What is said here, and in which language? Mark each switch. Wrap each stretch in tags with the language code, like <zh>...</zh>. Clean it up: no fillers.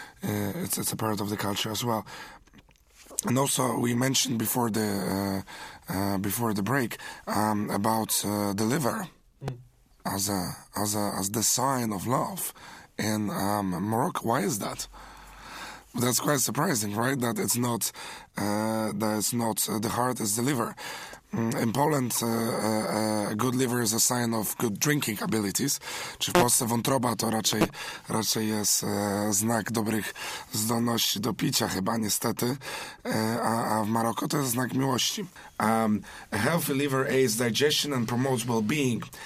<en>It's a part of the culture as well. And also, we mentioned before the break about the liver as the sign of love in Morocco. Why is that? That's quite surprising, right? That it's not the heart is the liver. In Poland, a good liver is a sign of good drinking abilities.</en> <pl>Czy w Polsce wątroba to raczej jest znak dobrych zdolności do picia, chyba niestety. A w Maroku to jest znak miłości.</pl> <en>A healthy liver aids digestion and promotes well-being.</en>